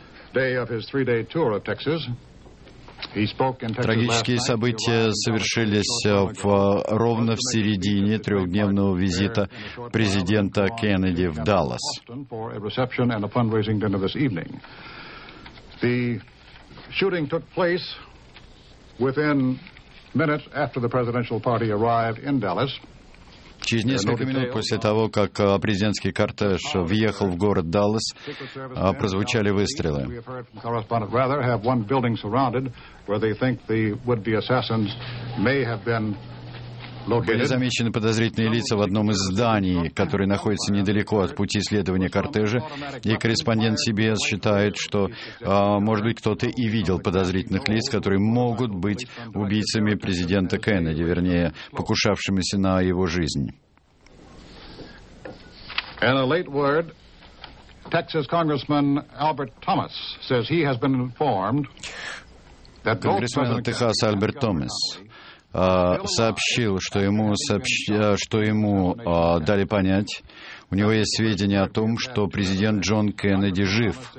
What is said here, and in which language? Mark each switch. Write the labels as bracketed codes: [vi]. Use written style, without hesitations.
[en] Day of his three-day tour of Texas. He spoke in Texas. [ru] Трагические события совершились ровно в середине трехдневного визита президента Кеннеди в Даллас. [en] The shooting took place within minutes after the presidential party arrived in Dallas. [ru] Через несколько минут после того, как президентский кортеж въехал в город Даллас, прозвучали выстрелы. Были замечены подозрительные лица в одном из зданий, которое находится недалеко от пути следования кортежа, и корреспондент CBS считает, что, может быть, кто-то и видел подозрительных лиц, которые могут быть убийцами президента Кеннеди, вернее, покушавшимися на его жизнь. [en] In a late word, Texas Congressman Albert Thomas says he has been informed that [ru] Congressman Texas Albert Thomas сообщил, что ему дали понять, у него есть сведения о том, что президент Джон Кеннеди жив.